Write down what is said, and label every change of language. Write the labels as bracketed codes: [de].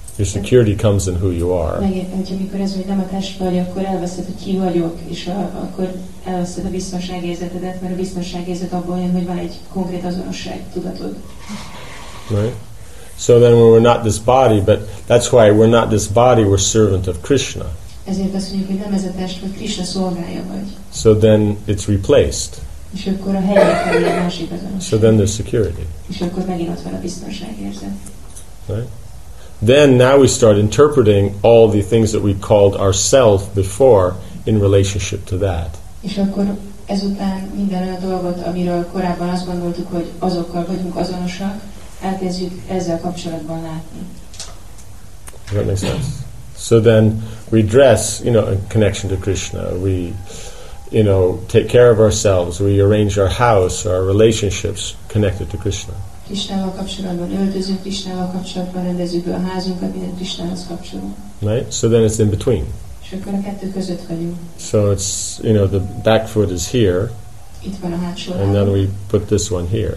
[en] Your security comes in who you are. Right? So then when we're not this body, but that's why we're not this body, we're servant of Krishna. [hu] Ezért azt mondjuk, hogy nem ez a test, hogy Krishna szolgálja vagy. [en] So then it's replaced. [hu] És akkor a helyre kerül egy másik azonos. [en] So then there's security. [hu] És akkor megint ott van a biztonságérzet. [en] Right? Then now we start interpreting all the things that we called ourself before in relationship to that. [hu] És akkor ezután minden olyan dolgot, amiről korábban azt gondoltuk, hogy azokkal vagyunk azonosak, elkezdjük ezzel kapcsolatban látni. [en] That makes sense. So then we dress, you know, in connection to Krishna. We, you know, take care of ourselves. We arrange our house, our relationships connected to Krishna. [hu] Krishnával kapcsolatban öltözünk, Krishnával kapcsolatban rendezünk a házunkat, minden Krishnához kapcsolunk. [en] Right? So then it's in between. [hu] És akkor a kettő között vagyunk. [en] So it's, you know, the back foot is here. [hu] Itt van a hátsó lábunk. [en] And then we put this one here.